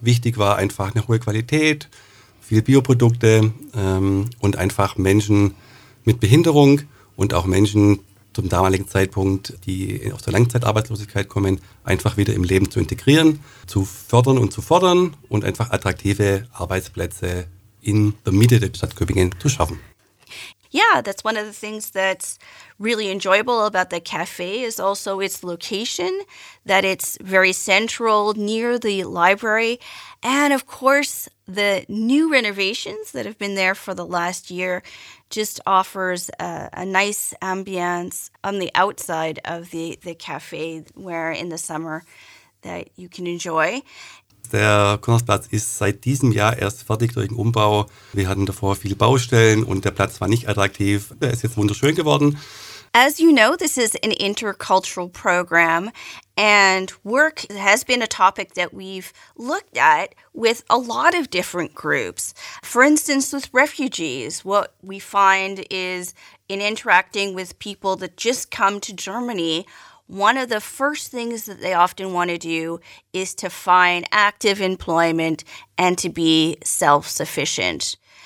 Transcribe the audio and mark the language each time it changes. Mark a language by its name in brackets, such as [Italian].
[German] Wichtig war einfach eine hohe Qualität, viele Bioprodukte und einfach Menschen mit Behinderung und auch Menschen, zum damaligen Zeitpunkt, die aus der Langzeitarbeitslosigkeit kommen, einfach wieder im Leben zu integrieren, zu fördern und zu fordern und einfach attraktive Arbeitsplätze in der Mitte der Stadt Köpingen zu schaffen. [English] Yeah, that's one of the things that's really enjoyable about the cafe is also its location, that it's very central near the library. And of course, the new renovations that have been there for the last year just offers a nice ambience on the outside of the cafe where in the summer that you can enjoy. [German] Der Konzertplatz ist seit diesem Jahr erst fertig durch den Umbau. Wir hatten davor viele Baustellen und der Platz war nicht attraktiv. Er ist jetzt wunderschön geworden. [English] As you know, this is an intercultural program and work has been a topic that we've looked at with a lot of different groups. For instance, with refugees, what we find is in interacting with people that just come to Germany, one of the first things that they often want to do is to find active employment and to be self-sufficient.